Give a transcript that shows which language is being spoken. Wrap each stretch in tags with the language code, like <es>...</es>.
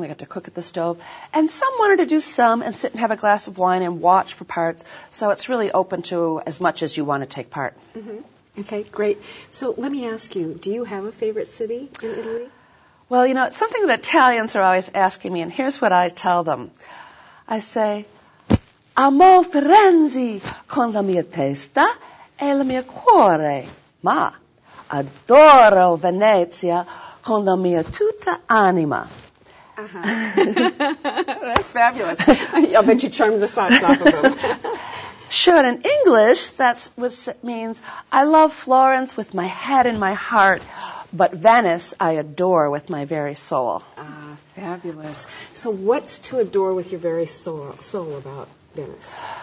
<en>They got to cook at the stove. And some wanted to do some and sit and have a glass of wine and watch for parts. So it's really open to as much as you want to take part. Mm-hmm. Okay, great. So let me ask you, do you have a favorite city in Italy? Well, you know, it's something that Italians are always asking me, and here's what I tell them.</en> <it>I say, amo Firenze con la mia testa e il mio cuore, ma adoro Venezia con la mia tutta anima.</it> <en>Uh-huh. That's fabulous. I'll bet you charmed the socks off of them. Sure, in English, that's what it means. I love Florence with my head and my heart, but Venice I adore with my very soul. Ah, fabulous. So what's to adore with your very soul about Venice?</en>